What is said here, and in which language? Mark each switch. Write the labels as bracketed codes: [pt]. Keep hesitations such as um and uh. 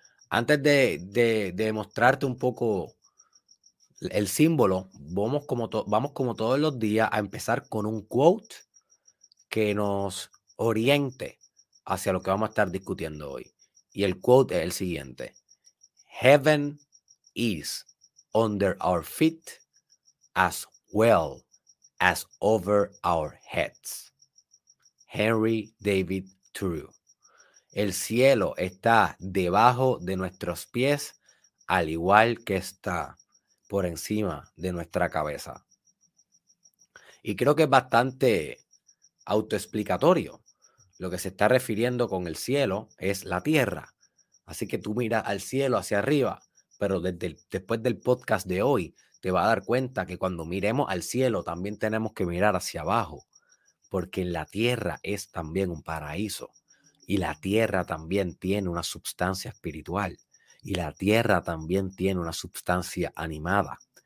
[es] Antes de, de, de mostrarte un poco el símbolo, vamos como, to, vamos como todos los días a empezar con un quote que nos oriente hacia lo que vamos a estar discutiendo hoy. Y el quote es el siguiente. [en] Heaven is under our feet as well as over our heads. Henry David Thoreau. [es] El cielo está debajo de nuestros pies, al igual que está por encima de nuestra cabeza. Y creo que es bastante autoexplicatorio. Lo que se está refiriendo con el cielo es la tierra. Así que tú miras al cielo hacia arriba, pero desde el, después del podcast de hoy te vas a dar cuenta que cuando miremos al cielo también tenemos que mirar hacia abajo porque la tierra es también un paraíso y la tierra también tiene una substancia espiritual y la tierra también tiene una substancia animada.